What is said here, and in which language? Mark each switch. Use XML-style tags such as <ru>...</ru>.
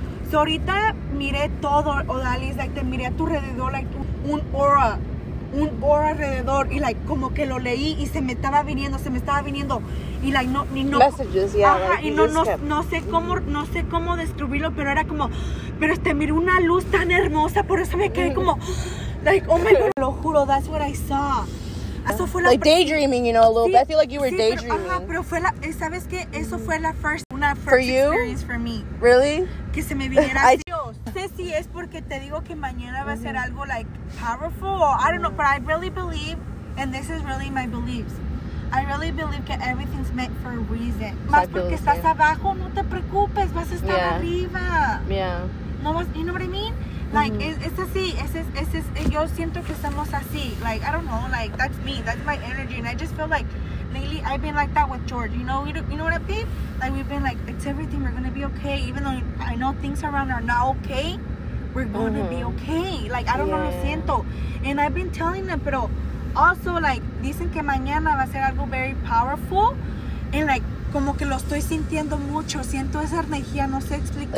<es>So ahorita miré todo, Odalis, like, te miré a tu alrededor, like, un aura alrededor, y like, como que lo leí y se me estaba viniendo, y like, no.</es> <en>Messages, yeah.</en> <es>Ajá, like, y no sé cómo describirlo, pero era como, pero te miré una luz tan hermosa, por eso me quedé como...</es> <en>Like, oh my god, lo juro, that's what I saw. Eso fue la daydreaming, you know, a little bit. I feel like you were daydreaming.</en> <es>Ajá, pero fue la, ¿sabes qué? Eso fue la first experience for me.</es> <en>Really?</en> <es>Que se me viniera a Dios.</es> <en>No sé si es porque te digo que mañana va a ser algo, like, powerful, or I don't know, but I really believe, and this is really my beliefs, I really believe that everything's meant for a reason.</en> <es>Más porque estás abajo, no te preocupes, vas a estar arriba.</es> <en>Yeah. No vas, you know what I mean? Like, it's así, es, yo siento que estamos así, like, I don't know, like, that's me, that's my energy, and I just feel like, lately, I've been like that with George, you know what I mean? Like, we've been like, it's everything, we're gonna be okay, even though I know things around are not okay, we're gonna be okay, like, I don't know, lo siento, and I've been telling them, pero, also, like, dicen que mañana va a ser algo very powerful, and like, como que lo estoy sintiendo mucho, siento esa energía, no sé explicarlo.</en>